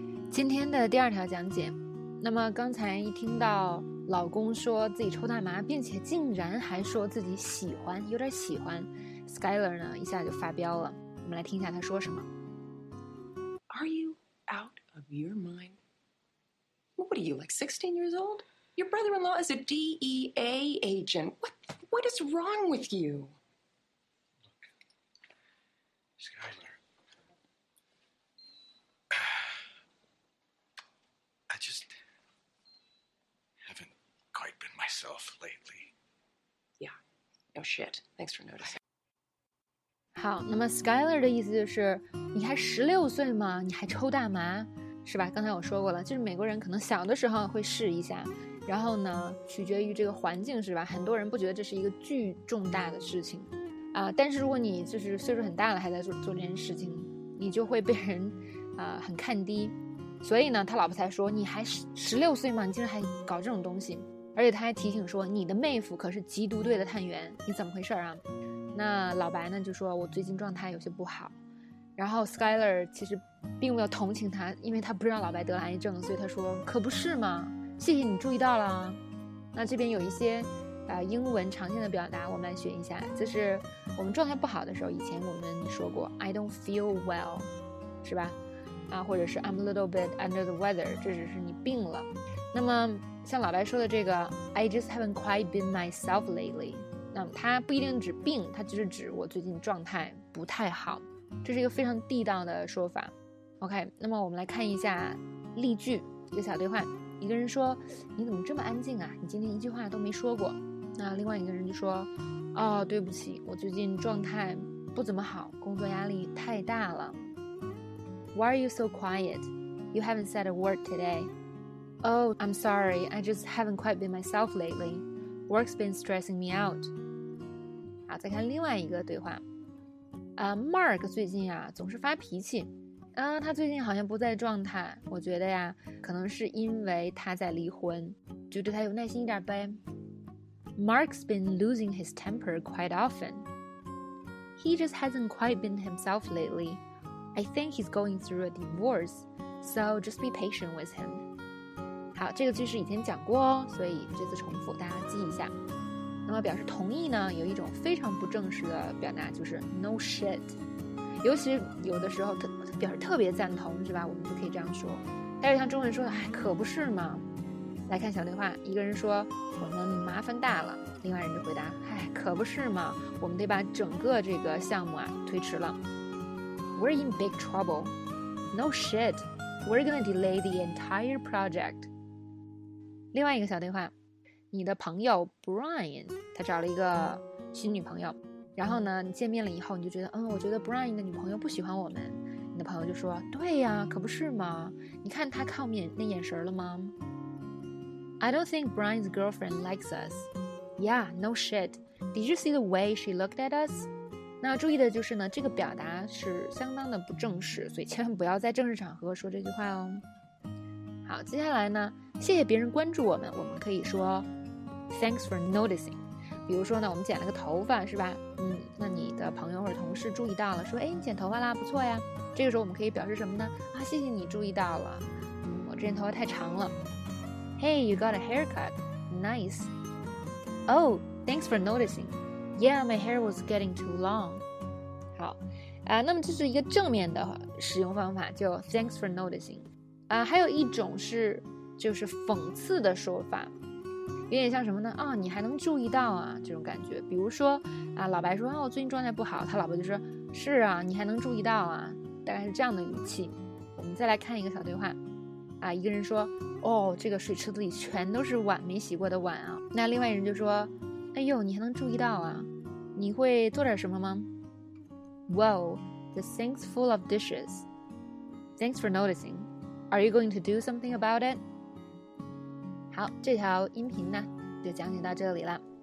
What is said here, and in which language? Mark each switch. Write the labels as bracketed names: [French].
[Chinese] 今天的第二条讲解，那么刚才一听到老公说自己抽大麻，并且竟然还说自己喜欢，有点喜欢 ，Skyler 呢一下就发飙了。我们来听一下他说什么。 [English] Are you out of your mind? What are you, like 16 years old? Your brother-in-law is a DEA agent. What is wrong with you? Skyler, I just haven't quite been myself lately. Yeah, no shit. Thanks for noticing. [Chinese] 好，那么 Skyler 的意思就是，你还16岁吗？你还抽大麻，是吧？刚才我说过了，就是美国人可能小的时候会试一下，然后呢，取决于这个环境，是吧？很多人不觉得这是一个巨重大的事情。但是如果你就是岁数很大了还在做这件事情，你就会被人很看低。所以呢他老婆才说，你还16岁吗？你竟然还搞这种东西。而且他还提醒说，你的妹夫可是缉毒队的探员，你怎么回事啊？那老白呢就说，我最近状态有些不好。然后 Skyler 其实并没有同情他，因为他不知道老白得了癌症，所以他说，可不是吗？谢谢你注意到了。那这边有一些英文常见的表达，我们来学一下。就是我们状态不好的时候，以前我们说过 [English] I don't feel well， [Chinese] 是吧？或者是 [English] I'm a little bit under the weather， [Chinese] 这只是你病了。那么像老白说的这个 [English] I just haven't quite been myself lately， [Chinese] 那么它不一定指病，它就是指我最近状态不太好，这是一个非常地道的说法。 OK， 那么我们来看一下例句，一个小对话。一个人说，你怎么这么安静啊，你今天一句话都没说过。那另外一个人就说，哦，对不起，我最近状态不怎么好，工作压力太大了。 [English] Why are you so quiet? You haven't said a word today. Oh, I'm sorry, I just haven't quite been myself lately. Work's been stressing me out. [Chinese] 好，再看另外一个对话。 Mark 最近啊总是发脾气，他最近好像不在状态，我觉得呀可能是因为他在离婚，就对他有耐心一点呗。 [English] Mark's been losing his temper quite often. He just hasn't quite been himself lately. I think he's going through a divorce, so just be patient with him. [Chinese] 好，这个句式以前讲过哦，所以这次重复大家记一下。那么表示同意呢，有一种非常不正式的表达就是 [English] no shit， [Chinese] 尤其有的时候表示特别赞同，是吧？我们就可以这样说。但是像中文说的，哎，可不是嘛。来看小对话，一个人说，我们麻烦大了，另外人就回答，哎，可不是嘛，我们得把整个这个项目啊推迟了。 [English] We're in big trouble. No shit, we're gonna delay the entire project. [Chinese] 另外一个小对话，你的朋友 Brian 他找了一个新女朋友，然后呢你见面了以后你就觉得，嗯，我觉得 Brian 的女朋友不喜欢我们。你的朋友就说，对呀，可不是嘛，你看他看我们那眼神了吗？ [English] I don't think Brian's girlfriend likes us. Yeah, no shit. Did you see the way she looked at us? [Chinese] 那注意的就是呢，这个表达是相当的不正式，所以千万不要在正式场合说这句话哦。好，接下来呢，谢谢别人关注我们，我们可以说 [English] Thanks for noticing. [Chinese] 比如说呢，我们剪了个头发，是吧？那你的朋友或者同事注意到了，说，哎，你剪头发啦，不错呀。这个时候我们可以表示什么呢？啊，谢谢你注意到了。我之前头发太长了。 [English] Hey, you got a haircut. Nice. Oh, thanks for noticing. Yeah, my hair was getting too long. [Chinese] 好，那么这是一个正面的使用方法，就 [English] thanks for noticing. [Chinese] 还有一种是就是讽刺的说法，有点像什么呢？哦，你还能注意到啊，这种感觉。比如说老白说，哦，我最近状态不好，他老婆就说，是啊，你还能注意到啊，大概是这样的语气。我们再来看一个小对话。一个人说，哦，这个水池子里全都是碗，没洗过的碗啊。那另外一人就说，哎呦，你还能注意到啊，你会做点什么吗？ [English] Whoa, the sink's full of dishes. Thanks for noticing. Are you going to do something about it? [Chinese] 好，这条音频呢就讲解到这里了。